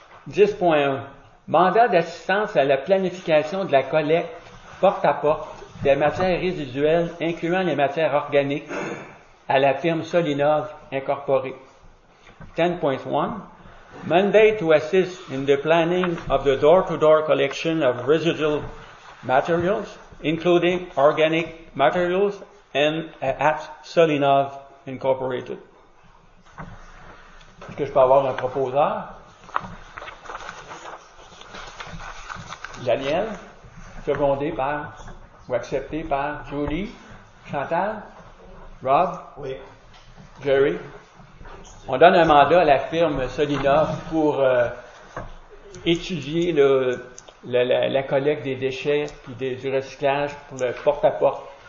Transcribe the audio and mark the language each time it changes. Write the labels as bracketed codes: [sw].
[fr] 10.1, mandat d'assistance à la planification de la collecte porte-à-porte des matières résiduelles, incluant les matières organiques, à la firme Solinov Incorporée. [en] 10.1, mandate to assist in the planning of the door-to-door collection of residual materials, including organic materials, and at Solinov Incorporated. [fr] Est-ce que je peux avoir un proposeur? Daniel, secondé par ou accepté par Julie, Chantal, Rob, oui. Jerry. On donne un mandat à la firme Solinov pour étudier la collecte des déchets puis du recyclage pour le porte-à-porte.